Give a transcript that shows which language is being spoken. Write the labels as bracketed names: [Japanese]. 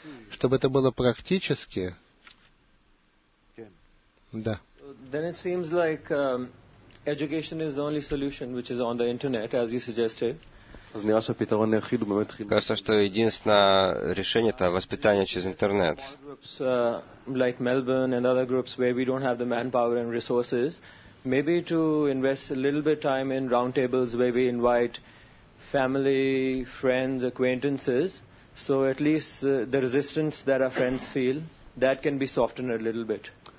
[Russian] Чтобы это было практически. Да. [English] Then it seems like education is the only solution which is on the internet, as you suggested. [Russian] Кажется, что единственное решение — это воспитание через интернет. [English] Like Melbourne and other groups where we don't have the manpower and resources, maybe to invest a little bit of time in roundtables where we invite family, friends, acquaintances, so at least the resistance that our friends feel, that can be softened a little bit.